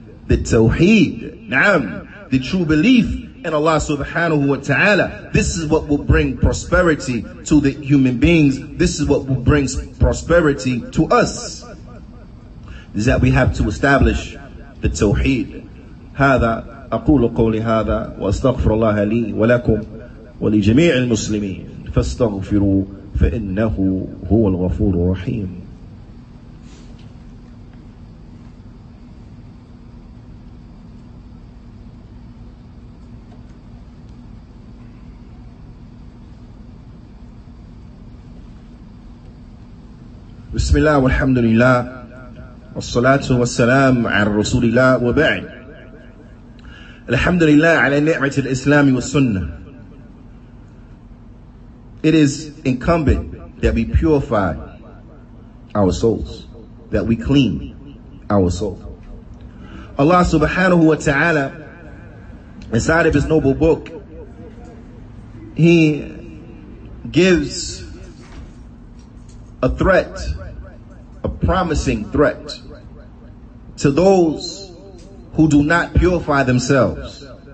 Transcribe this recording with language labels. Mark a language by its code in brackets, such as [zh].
[en] The tawheed. Naam. The true belief in Allah subhanahu wa ta'ala. This is what will bring prosperity to the human beings. This is what will bring prosperity to us. Is that we have to establish the tawheed. [ar] هذا أقول قولي هذا وأستغفر الله لي ولكم ولجميع المسلمين فاستغفروا فإنه هو الغفور الرحيم. بسم الله والحمد لله والصلاة والسلام على رسول الله وبعد الحمد لله على نعمة الإسلام والسنة. [en] It is incumbent that we purify our souls, that we clean our soul. Allah subhanahu wa ta'ala, inside of his noble book, he gives a threat, a promising threat to those who do not purify themselves.